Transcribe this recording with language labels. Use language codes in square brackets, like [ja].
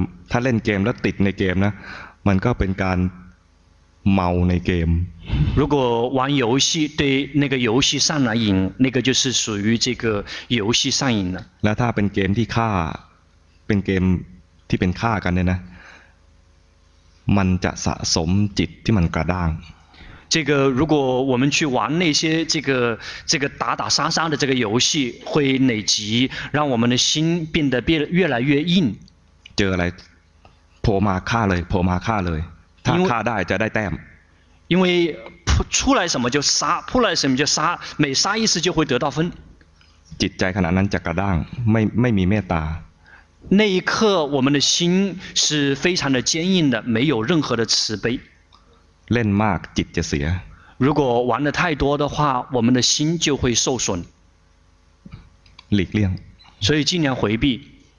[th] ถ้าเล่นเกมแล้วติดในเกมนะมันก็เป็นการเมาในเกม [zh] 如果玩游戏对那个游戏上了瘾那个就是属于这个游戏上瘾了 [th] แล้วถ้าเป็นเกมที่ฆ่าเป็นเกมที่เป็นฆ่ากันเนี่ยนะมันจะสะสมจิตที่มันกระด้าง [zh] 这个如果我们去玩那些这个打打杀杀的这个游戏会累积让我们的心变得越来越硬 [th] เจออะไรโผล่มาฆ่าเลยโผล่มาฆ่าเลยถ้าฆ่าได้จะได้แต้ม [zh] 因为出来什么就杀出来什么就杀每杀一次就会得到分 [th] จิตใจขณะนั้นจะกระด้างไม่มีเมตตา [zh] 那一刻我们的心是非常的坚硬的没有任何的慈悲 [th] เล่นมากจิตจะเสีย [zh] 如果玩的太多的话我们的心就会受损 [th] หลีกเลี่ยง [zh] 所以尽量回避